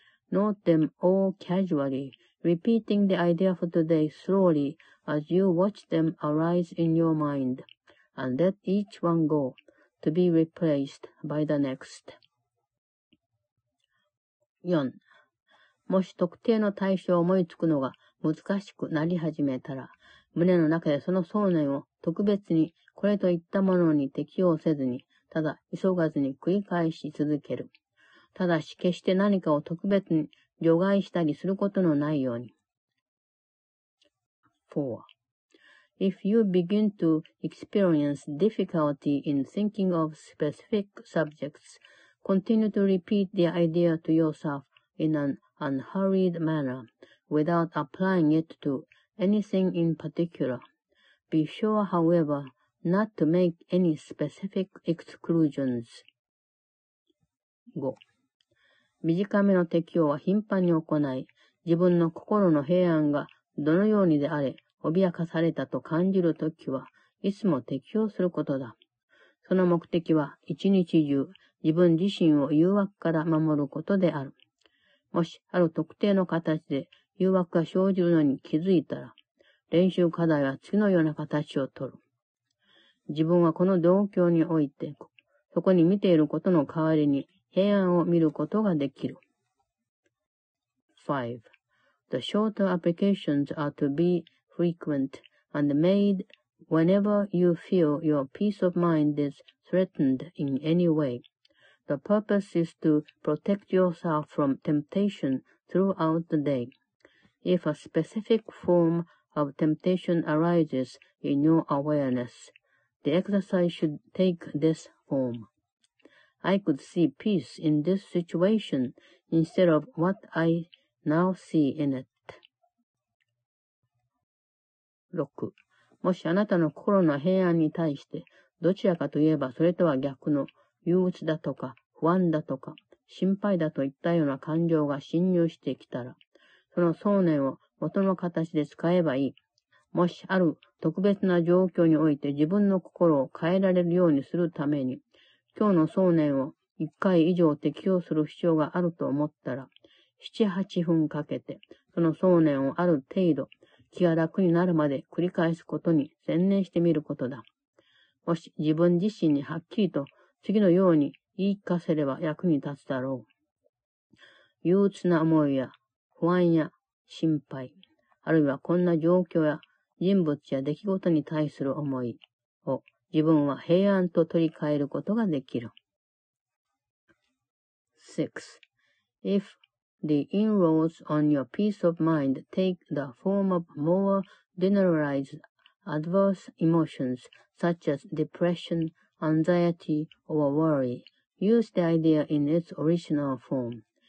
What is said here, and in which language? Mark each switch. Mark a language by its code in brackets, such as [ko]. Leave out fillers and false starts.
[en] Note them all casually, repeating the idea for today slowly as you watch them arise in your mind, and let each one go, to be replaced by the next. 4. [ja] もし特定の対象を思いつくのが難しくなり始めたら、胸の中でその想念を特別にこれといったものに適応せずに、ただ急がずに繰り返し続ける。ただし決して何かを特別に除外したりすることのないように。 4. [en] If you begin to experience difficulty in thinking of specific subjects, continue to repeat the idea to yourself in an unhurried manner, without applying it to anything in particular. Be sure, however, not to make any specific exclusions. 5. [ja] 短めの適応は頻繁に行い、自分の心の平安がどのようにであれ、脅かされたと感じるときはいつも適応することだ。その目的は一日中自分自身を誘惑から守ることである。もしある特定の形で誘惑が生じるのに気づいたら、練習課題は次のような形をとる。自分はこの状況において、そこに見ていることの代わりに平安を見ることができる。 5. [en] The shorter applications are to be frequent and made whenever you feel your peace of mind is threatened in any way. The purpose is to protect yourself from temptation throughout the day. If a specific form of temptation arises in your awareness, the exercise should take this form. I could see peace in this situation instead of what I now see in it. 6. [ja] もしあなたの心の平安に対して、どちらかといえばそれとは逆の憂鬱だとか不安だとか心配だといったような感情が侵入してきたら、その想念を元の形で使えばいい。もしある特別な状況において自分の心を変えられるようにするために、今日の想念を一回以上適用する必要があると思ったら、7、8分かけて、その想念をある程度気が楽になるまで繰り返すことに専念してみることだ。もし自分自身にはっきりと次のように言い聞かせれば役に立つだろう。憂鬱な思いや不安や心配、あるいはこんな状況や人物や出来事に対する思いを自分は平安と取り替えることができる。 6. [en] If the inroads on your peace of mind take the form of more generalized adverse emotions such as depression, anxiety or worry, use the idea in its original form.